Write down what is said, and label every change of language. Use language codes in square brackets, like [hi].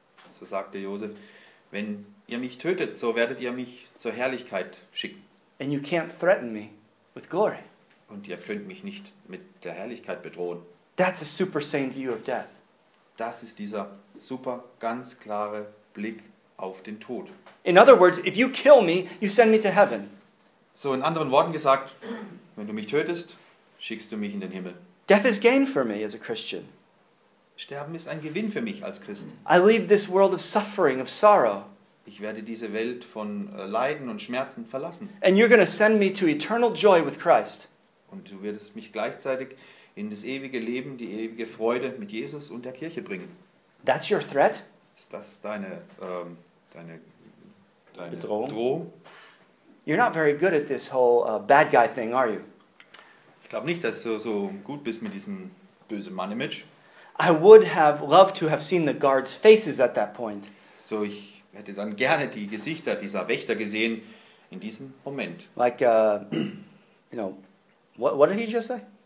[de] So sagte Josef, wenn ihr mich tötet, so werdet ihr mich zur Herrlichkeit schicken. [en] And you can't threaten me with glory. [de] Und ihr könnt mich nicht mit der Herrlichkeit bedrohen. [en] That's a super sane view of death. [de] Das ist dieser super ganz klare Blick auf den Tod. [en] In other words, if you kill me, you send me to heaven. [de] So in anderen Worten gesagt, wenn du mich tötest, schickst du mich in den Himmel. [en] Death is gain for me as a Christian. [de] Sterben ist ein Gewinn für mich als Christ. [en] I leave this world of suffering, of sorrow. [de] Ich werde diese Welt von Leiden und Schmerzen verlassen. [en] And you're going to send me to eternal joy with Christ. [de] Und du wirst mich gleichzeitig in das ewige Leben, die ewige Freude mit Jesus und der Kirche bringen. [en] That's your threat? [de] Ist das deine deine Bedrohung? [en] You're not very good at this whole bad guy thing, are you? [de] Ich glaube nicht, dass du so gut bist mit diesem bösen Mann-Image. [en] I would have loved to have seen the guards' faces at that point. [de] So ich hätte dann gerne die Gesichter dieser Wächter gesehen in diesem Moment. [en] Like, you know, what did he just say?